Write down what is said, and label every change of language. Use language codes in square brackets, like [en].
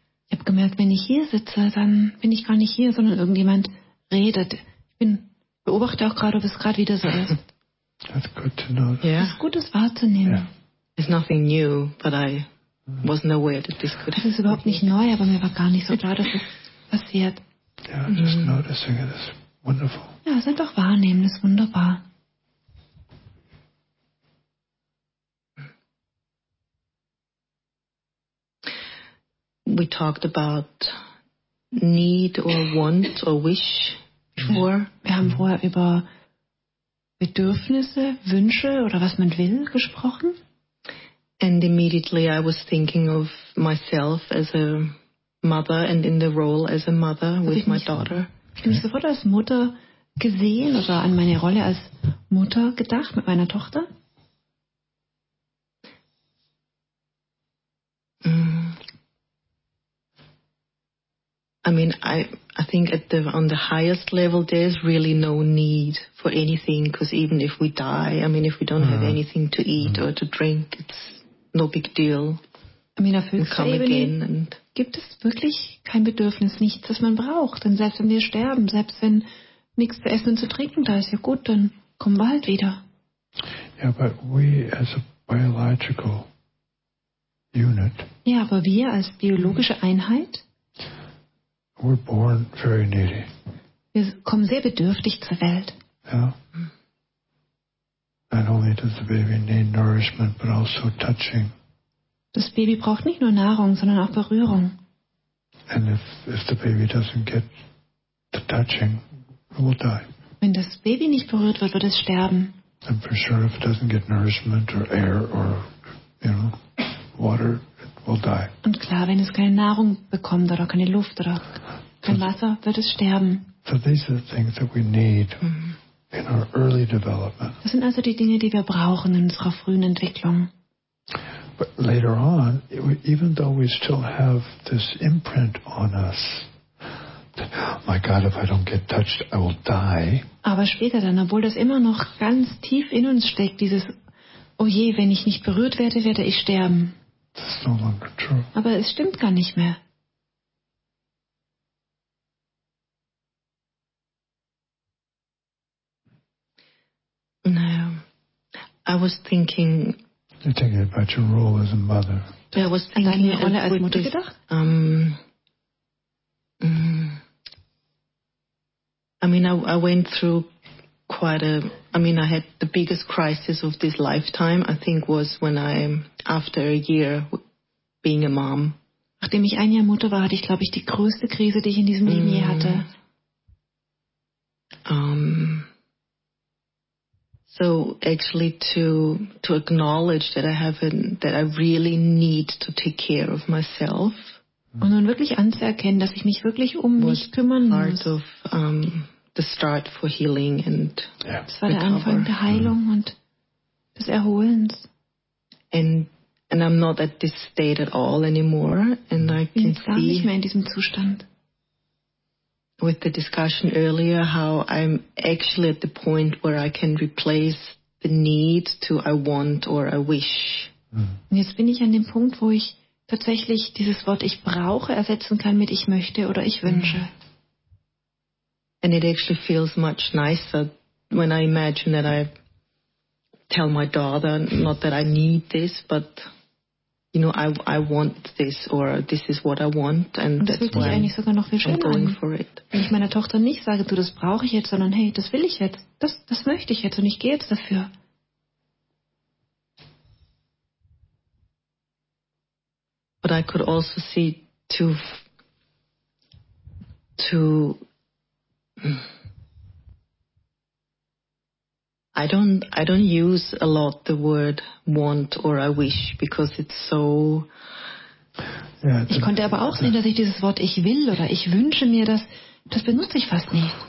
[de] Ich habe gemerkt, wenn ich hier sitze, dann bin ich gar nicht hier, sondern irgendjemand redet. Ich beobachte auch gerade, ob es gerade wieder so ist. [en] That's good to know. Yeah. [de] Das ist gut, das wahrzunehmen. [en] Yeah. It's nothing new, but I wasn't aware that this could happen. [de] Das ist überhaupt nicht neu, aber mir war gar nicht so klar, dass es passiert. [en] Ja, just noticing it is wonderful. [de] Ja, es einfach wahrnehmen, ist wunderbar. [en] We talked about need or want or wish before. [de] Wir haben vorher über Bedürfnisse, Wünsche oder was man will gesprochen. [en] And immediately I was thinking of myself as a mother and in the role as a mother with my daughter. [de] Ich habe mich sofort als Mutter gesehen oder an meine Rolle als Mutter gedacht mit meiner Tochter. [en] I mean, I think at the on the highest level, there's really no need for anything, because even if we die, I mean, if we don't have anything to eat or to drink, it's no big deal. I mean, [de] auf höchster Ebene gibt es wirklich kein Bedürfnis, nichts, das man braucht. Denn selbst wenn wir sterben, selbst wenn nichts zu essen und zu trinken da ist, ja gut, dann kommen wir halt wieder. [en] Yeah, but we as a biological unit. [de] Ja, aber wir als biologische Einheit. [en] We're born very needy. [de] Wir kommen sehr bedürftig zur Welt. [en] Yeah. Not only does the baby need nourishment, but also touching. [de] Das Baby braucht nicht nur Nahrung, sondern auch Berührung. [en] And if the baby doesn't get the touching, it will die. [de] Wenn das Baby nicht berührt wird, wird es sterben. [en] And for sure, if it doesn't get nourishment or air or, you know, water. Will die. [de] Und klar, wenn es keine Nahrung bekommt oder keine Luft oder kein Wasser, wird es sterben. [en] So these are the things that we need in our early development. [de] Das sind also die Dinge, die wir brauchen in unserer frühen Entwicklung. [en] But later on, even though we still have this imprint on us, that, my God, if I don't get touched, I will die. [de] Aber später dann, obwohl das immer noch ganz tief in uns steckt, dieses, oh je, wenn ich nicht berührt werde, werde ich sterben. [en] It's no longer true. [de] Aber es stimmt gar nicht mehr. [en] No. I was thinking. You're thinking about your role as a mother. I was thinking about your role as a mother. I went through quite a. I had the biggest crisis of this lifetime, I think, was when I, after a year. Being a mom. [de] Nachdem ich ein Jahr Mutter war, hatte ich, glaube ich, die größte Krise, die ich in diesem Leben je hatte. [en] So actually to acknowledge that I have that I really need to take care of myself. [de] Und nun wirklich anzuerkennen, dass ich mich wirklich um mich kümmern muss. [en] Part of the start for healing and [de] das war der Anfang der Heilung und des Erholens. [en] And I'm not at this state at all anymore, and I can see. [de] Bin nicht mehr in diesem Zustand. [en] With the discussion earlier, how I'm actually at the point where I can replace the need to I want or I wish. [de] Und jetzt bin ich an dem Punkt, wo ich tatsächlich dieses Wort ich brauche ersetzen kann mit ich möchte oder ich wünsche. [en] And it actually feels much nicer when I imagine that I tell my daughter, not that I need this, but you know, I want this, or this is what I want, and that's why I'm going for it. [de] Wenn ich meiner Tochter nicht sage, du, das brauche ich jetzt, sondern hey, das will ich jetzt, das möchte ich jetzt, und ich gehe jetzt dafür. [en] But I could also see to I don't use a lot the word want or I wish because it's so. [de] Ich konnte aber auch sehen, dass ich dieses Wort ich will oder ich wünsche mir das benutze ich fast nicht.